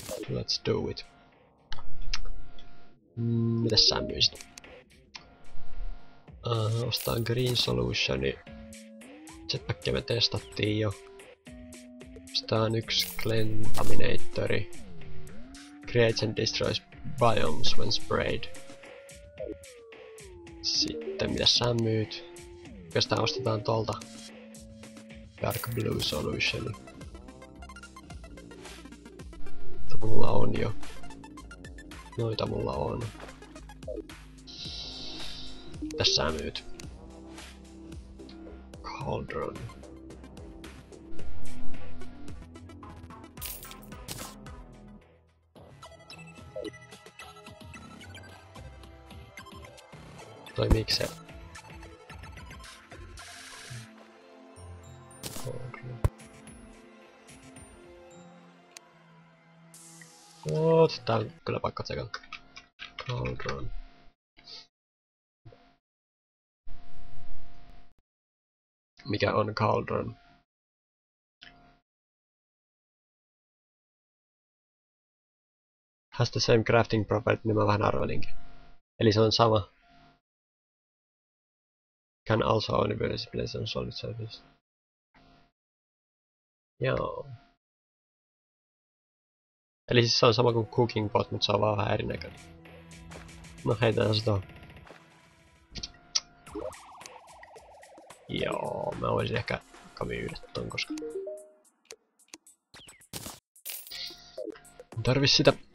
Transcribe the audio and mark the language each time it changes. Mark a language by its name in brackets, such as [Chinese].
[English] Let's do it. [Finnish] Mitäs sä myisit? Ostaan Green Solutioni. Jetpackia me testattiin jo. Ostaan yksi Glentaminatori. [English] Creates and destroys biomes when sprayed. [Finnish] Sitten mitä sä myyt? Oikeastaan ostetaan tuolta Dark Blue Solution. Mulla on jo. Noita mulla on. Mitä sä myyt? [English] Cauldron. [Finnish] Toi mikse. Oot, tää on kyllä paikka tsekata. Cauldron. Mikä on Cauldron? [English] Has the same crafting property, [Finnish] niin mä vähän arvelinkin. Eli se on sama. [English] Can also only be displayed on solid surface. [Finnish] Joo. Eli siis se on sama kuin cooking pot, mutta se on vaan vähän erinäköinen. No heitetään se tohon. Joo, mä voisin ehkä myydä ton, koska tarvis sitä.